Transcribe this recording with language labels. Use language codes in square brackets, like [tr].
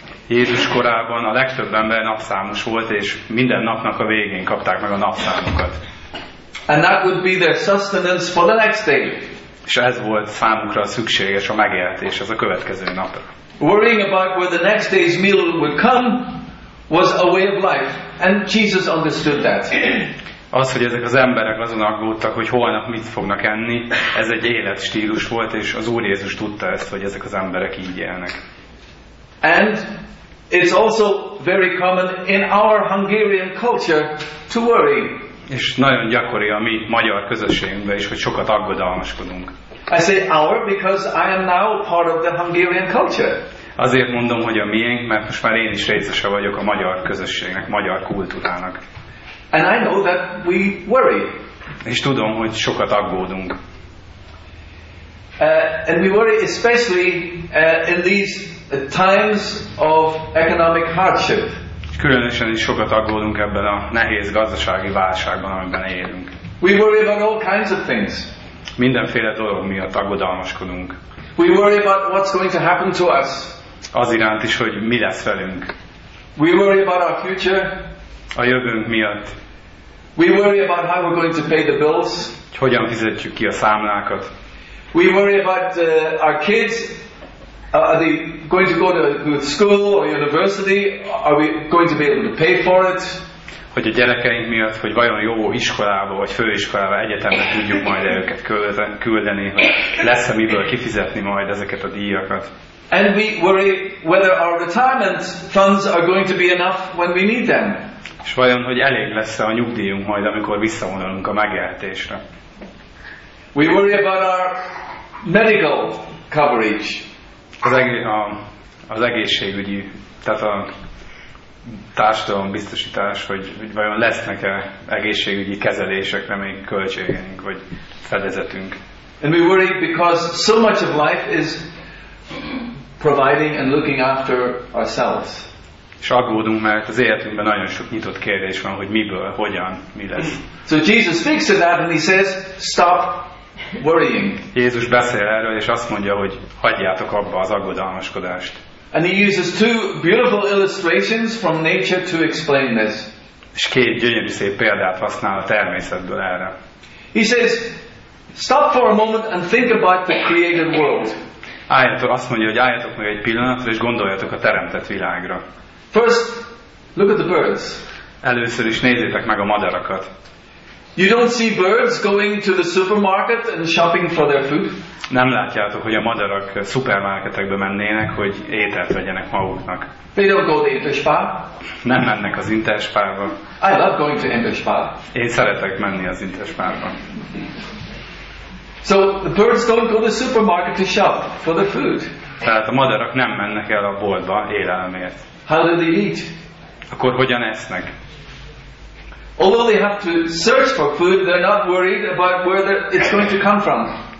[hu] Jézus korában a legtöbb ember napszámos volt, és minden napnak a végén kapták meg a napszámukat. [en] And that would be their sustenance for the next day. [hu] És ez volt számukra szükséges a megélhetés ez a következő napra. [en] Worrying about where the next day's meal would come was a way of life, and Jesus understood that. [hu] Az, hogy ezek az emberek azon aggódtak, hogy holnap mit fognak enni, ez egy életstílus volt, és az Úr Jézus tudta ezt, hogy ezek az emberek így élnek. [en] And it's also very common in our Hungarian culture to worry. [hu] És nagyon gyakori a mi magyar közösségünkben is, hogy sokat aggodalmaskodunk. [en] I say our because I am now part of the Hungarian culture. [hu] Azért mondom, hogy a miénk, mert most már én is részese vagyok a magyar közösségnek, magyar kultúrának. [en] And I know that we worry. [hu] És tudom, hogy sokat aggódunk. [en] And we worry especially in these times of economic hardship. [hu] Különösen is sokat aggódunk ebben a nehéz gazdasági válságban, amiben élünk. [en] We worry about all kinds of things. [hu] Mindenféle dolog miatt aggodalmaskodunk. [en] We worry about what's going to happen to us. [hu] Az iránt is, hogy mi lesz velünk. [en] We worry about our future. [hu] A jövőnk miatt. [en] We worry about how we're going to pay the bills. [hu] Hogy hogyan fizetjük ki a számlákat. [en] We worry about our kids. Are they going to go to good school or university? Are we going to be able to pay for it? [hu] Hogy a gyerekeink miatt, hogy vajon jó iskolába vagy főiskolába, egyetemre tudjuk majd őket küldeni, hogy lesz-e miből kifizetni majd ezeket a díjakat. [en] And we worry whether our retirement funds are going to be enough when we need them. [hu] És vajon, hogy elég lesz-e a nyugdíjunk majd, amikor visszavonulunk a megélhetésre. [en] We worry about our medical coverage. [hu] Az egész az egészségügyi, tehát a társadalom biztosítás, hogy vajon lesznek-e egészségügyi kezelések, még költségeink vagy fedezetünk. [en] And we worry because so much of life is providing and looking after ourselves. [hu] És aggódunk, mert az életünkben nagyon sok nyitott kérdés van, hogy miből, hogyan, mi lesz. [en] So Jesus speaks to that and he says, stop worrying. [hu] Jézus beszél erről, és azt mondja, hogy hagyjátok abba az aggodalmaskodást. [en] And he uses two beautiful illustrations from nature to explain this. [hu] És két gyönyörű szép példát használ a természetből erre. [en] He says, stop for a moment and think about the created world. [hu] Álljatok, azt mondja, hogy álljatok meg egy pillanatra, és gondoljatok a teremtett világra. [en] First, look at the birds. [hu] Először is nézzétek meg a madarakat. [en] You don't see birds going to the supermarket and shopping for their food. [hu] Nem látjátok, hogy a madarak szupermarketekbe mennének, hogy ételt vegyenek maguknak. [en] They don't go to Interspa. [hu] Nem mennek az Interspa-ba. [en] I love going to Interspa. [hu] Én szeretek menni az Interspa-ba. [en] So the birds don't go to the supermarket to shop for their food. [hu] Tehát a madarak nem mennek el a boltba élelemért. [en] How do they eat? [hu] Akkor hogyan esznek? [en] Although they have to search for food, they're not worried about where it's going to come from.